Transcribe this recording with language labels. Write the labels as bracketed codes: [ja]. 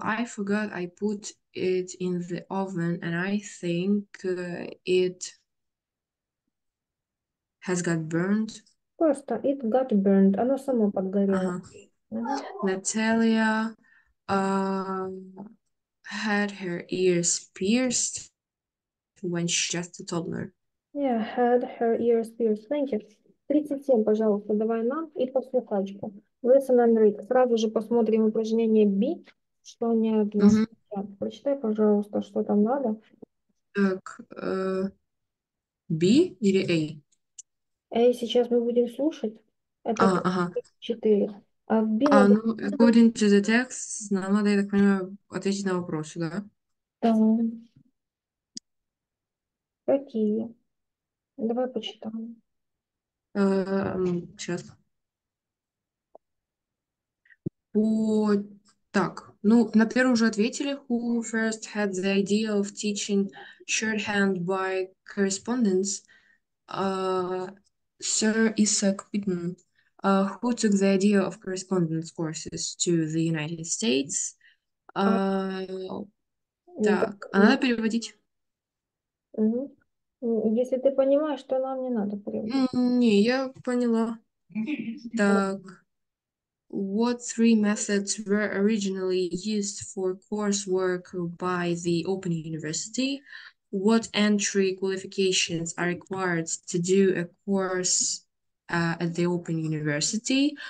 [en] I forgot I put it in the oven, and I think it has got burned. [ru] Просто [en] it got burned. [ru] Оно само подгорело. [en] Наталья had her ears pierced when she's just a toddler. Yeah, had her ears pierced. Thank you. [ru] 37, пожалуйста, давай нам и послухачку. [en] Listen and read. [ru] Сразу же посмотрим упражнение B, что не отвечает. Прочитай, пожалуйста, что там надо. Так, B или Эй, сейчас мы будем слушать. A? Это 4. А в B Ну, надо... [en] according to the text, [ru] нам надо, я так понимаю, ответить на вопросы, да? Там. Какие? Давай почитаем. Сейчас. Вот так. Ну, на первом уже ответили. [en] Who first had the idea of teaching shorthand by correspondence? Sir Isaac Pitman. Who took the idea of correspondence courses to the United States? [ru] Так, а надо переводить? Если ты понимаешь, то нам не надо приводить. Не, я поняла. [en] Так, what three methods were originally used for coursework by the Open University? What entry qualifications are required to do a course at the Open University?